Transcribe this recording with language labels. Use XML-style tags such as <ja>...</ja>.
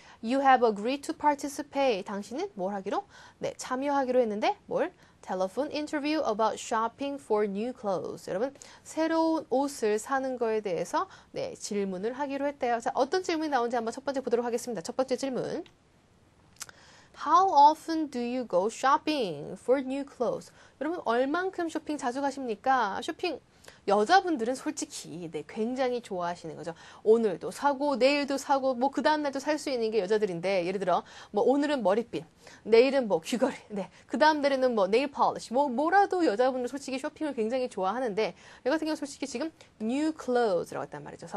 <en>You have agreed to participate.</en> <ko>당신은 뭘 하기로? 네, 참여하기로 했는데 뭘?</ko> <en>Telephone interview about shopping for new clothes.</en> <ko>여러분, 새로운 옷을 사는 거에 대해서 네, 질문을 하기로 했대요. 자, 어떤 질문이 나오는지 한번 첫 번째 보도록 하겠습니다. 첫 번째 질문.</ko> <en>How often do you go shopping for new clothes?</en> <ko>여러분, 얼만큼 쇼핑 자주 가십니까? 쇼핑. 여자분들은 솔직히 네, 굉장히 좋아하시는 거죠. 오늘도 사고 내일도 사고 뭐그 다음 날도 살수 있는 게 여자들인데 예를 들어 뭐 오늘은 머리핀, 내일은 뭐 귀걸이, 네, 그 다음 날에는 뭐 네일 폴리시 뭐 뭐라도 여자분들 솔직히 쇼핑을 굉장히 좋아하는데 여 같은 경우 솔직히 지금 new clothes라고 했단 말이죠.</ko>